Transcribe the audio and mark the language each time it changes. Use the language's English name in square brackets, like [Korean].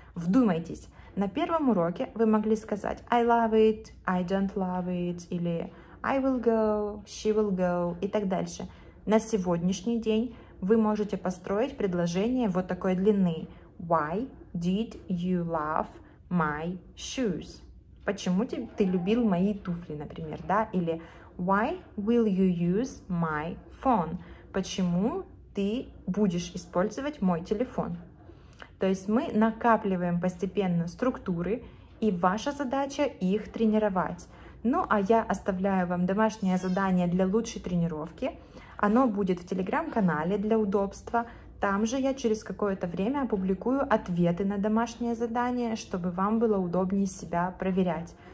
[Russian] Вдумайтесь, на первом уроке вы могли сказать [English] I love it, I don't love it, [Russian] или [English] I will go, she will go [Russian] и так дальше. На сегодняшний день вы можете построить предложение вот такой длины. [English] Why did you love my shoes? [Russian] Почему ты любил мои туфли, например, да? [English] Или why will you use my phone? [Russian] Почему ты будешь использовать мой телефон? То есть мы накапливаем постепенно структуры, и ваша задача их тренировать. Ну, а я оставляю вам домашнее задание для лучшей тренировки. Оно будет в телеграм-канале для удобства. Там же я через какое-то время опубликую ответы на домашнее задание, чтобы вам было удобнее себя проверять.